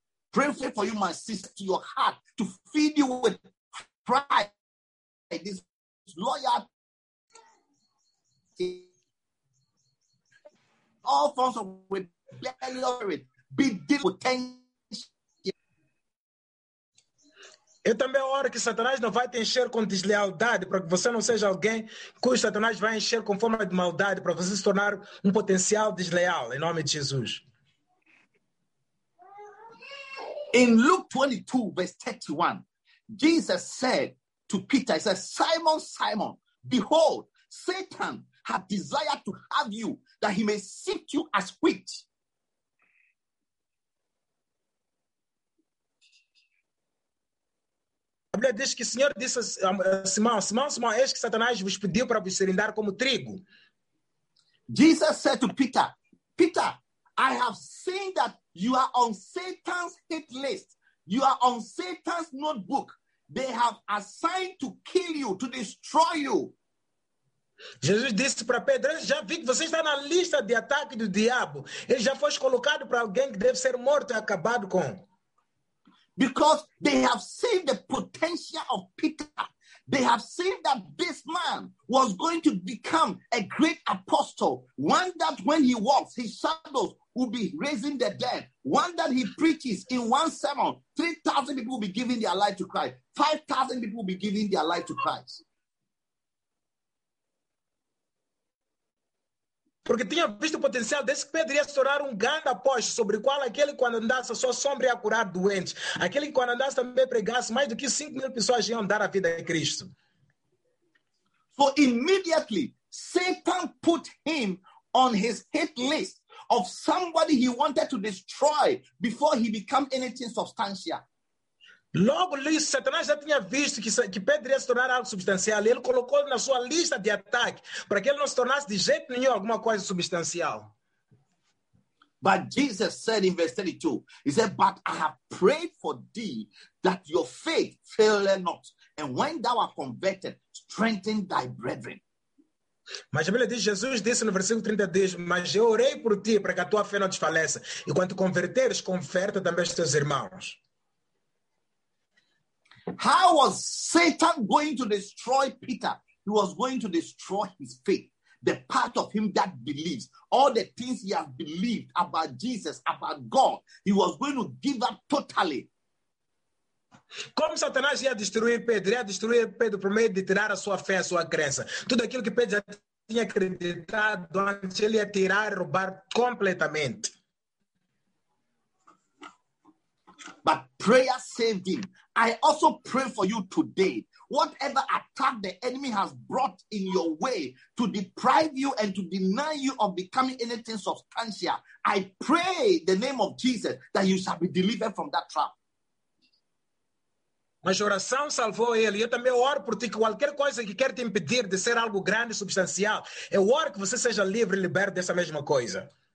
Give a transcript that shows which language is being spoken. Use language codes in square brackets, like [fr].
[en] Pray for you, my sister, your heart, to feed you with pride, this loyalty, all forms of rebellion, be deep with potential. [pt] Eu também oro que Satanás não vai te encher com deslealdade, para que você não seja alguém cujo Satanás vai encher com forma de maldade, para você se tornar um potencial desleal, em nome de Jesus. [en] In Luke 22, verse 31, Jesus said to Peter, he said, Simon, Simon, behold, Satan had desired to have you, that he may sift you as wheat. [pt] A Bíblia diz que o Senhor disse a Simão, Simão, Simão, eis que Satanás vos pediu para vos serindar como trigo. [en] Jesus said to Peter, Peter, I have seen that you are on Satan's hit list. You are on Satan's notebook. They have assigned to kill you, to destroy you. [pt] Jesus disse para Pedro, já vi que você está na lista de ataque do diabo. Ele já foi colocado para alguém que deve ser morto e acabado com. [en] Because they have seen the potential of Peter. They have seen that this man was going to become a great apostle. One that when he walks, his shadows will be raising the dead. One that he preaches in one sermon, 3,000 people will be giving their life to Christ. 5,000 people will be giving their life to Christ. [pt] Porque tinha visto o potencial desse que Pedro ia estourar um grande apóstolo, sobre o qual aquele quando andasse a sua sombra ia curar doentes. Aquele que quando andasse também pregasse, mais do que 5 mil pessoas iam dar a vida em Cristo. [en] So immediately, Satan put him on his hit list of somebody he wanted to destroy before he became anything substantial. [pt] Logo, Satanás já tinha visto que Pedro ia se tornar algo substancial. Ele colocou na sua lista de ataque para que ele não se tornasse de jeito nenhum alguma coisa substancial. [en] But Jesus said in verse 32, he said, but I have prayed for thee that your faith fail not, and when thou art converted, strengthen thy brethren. [pt] Mas a Bíblia diz, Jesus disse no versículo 30, diz, mas eu orei por ti para que a tua fé não desfaleça, e quando te converteres, converta também os teus irmãos. [en] How was Satan going to destroy Peter? He was going to destroy his faith, the part of him that believes, all the things he has believed about Jesus, about God. He was going to give up totally. [pt] Como Satanás ia destruir Pedro? Ia destruir Pedro por meio de tirar a sua fé, a sua crença. Tudo aquilo que Pedro já tinha acreditado antes, ele ia tirar e roubar completamente. [en] But prayer saved him. I also pray for you today. Whatever attack the enemy has brought in your way to deprive you and to deny you of becoming anything substantial, I pray the name of Jesus that you shall be delivered from that trap. [pt] Mas oração salvou ele. Eu também oro por ti que qualquer coisa que quer te impedir de ser algo grande e substancial, eu oro que você seja livre e liberto dessa mesma coisa.